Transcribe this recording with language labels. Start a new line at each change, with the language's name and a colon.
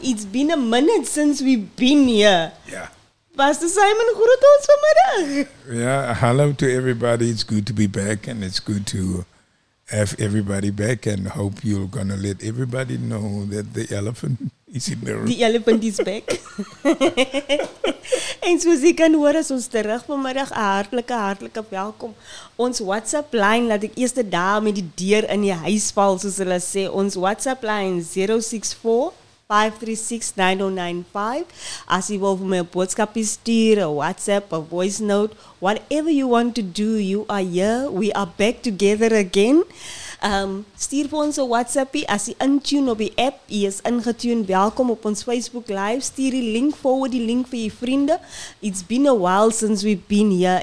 English: It's been a minute since we've been here. Ja.
Afrikaans: Pastor Simon, groet ons vanmiddag.
English: Ja, hello to everybody. It's good to be back and it's good to have everybody back and hope you're gonna let everybody know that the elephant is in the room. The elephant is back.
Afrikaans: En soos jy kan hoor, is ons terug vanmiddag. Hartlike, hartlike welkom. Ons WhatsApp line, laat ek eerste daar met die deur in die huis val, soos hulle sê. Ons WhatsApp line 064-536-9095. As jy wil vir my 'n boodskapie stuur,
English: a WhatsApp, a voice note, whatever you want to do, you are here. We are back together again.
Afrikaans: Stuur vir ons 'n WhatsAppie. As jy intune op die app, jy is ingetune, welkom op ons Facebook Live. Stuur die link, forward die link vir jy vriende.
English: It's been a while since we've been here.